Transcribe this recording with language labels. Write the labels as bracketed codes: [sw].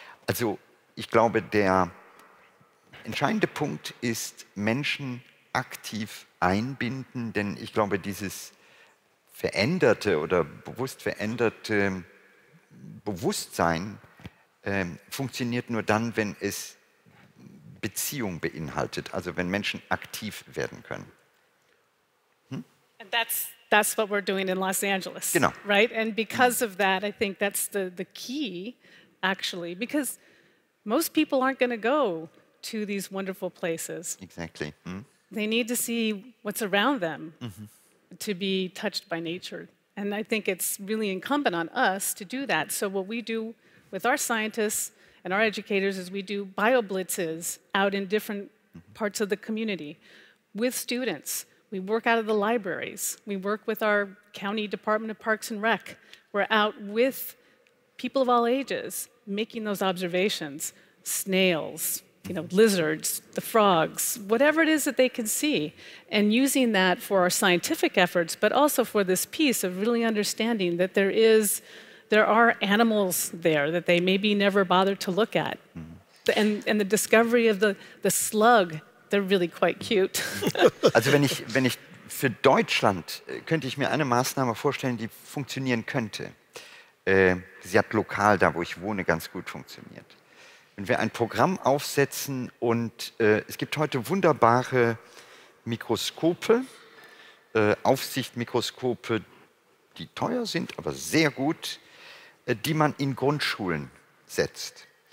[de] Also ich glaube, der entscheidende Punkt ist, Menschen aktiv einbinden. Denn ich glaube, dieses veränderte oder bewusst veränderte Bewusstsein funktioniert nur dann, wenn es Beziehung beinhaltet, also wenn Menschen aktiv werden können. [en] And that's what we're doing in Los Angeles, [de] genau. [en] Right? And because of that, I think that's the key, actually, because most people aren't going to go to these wonderful places. Exactly. Mm-hmm. They need to see what's around them to be touched by nature. And I think it's really incumbent on us to do that. So what we do with our scientists and our educators is we do bioblitzes out in different parts of the community with students. We work out of the libraries. We work with our county department of parks and rec. We're out with people of all ages making those observations. Snails, you know, lizards, the frogs, whatever it is that they can see. And using that for our scientific efforts, but also for this piece of really understanding that there are animals there that they maybe never bothered to look at. Mm-hmm. And the discovery of the slug, they're really quite cute. [de] Also wenn ich für Deutschland, könnte ich mir eine Maßnahme vorstellen, die funktionieren könnte. Sie hat lokal, da wo ich wohne, ganz gut funktioniert. Wenn wir ein Programm aufsetzen und es gibt heute wunderbare Mikroskope, Aufsichtmikroskope, die teuer sind, aber sehr gut, die man in Grundschulen setzt.